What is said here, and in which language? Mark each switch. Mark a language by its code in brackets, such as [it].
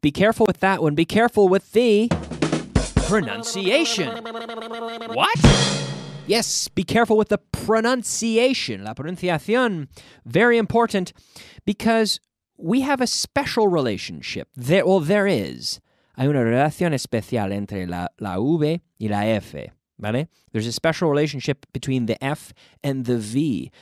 [en] Be careful with that one. Be careful with the pronunciation. What? Yes, be careful with the pronunciation. La pronunciación. Very important, because we have a special relationship. There is. [es] Hay una relación especial entre la V y la F. ¿Vale? [en] There's a special relationship between the F and the V.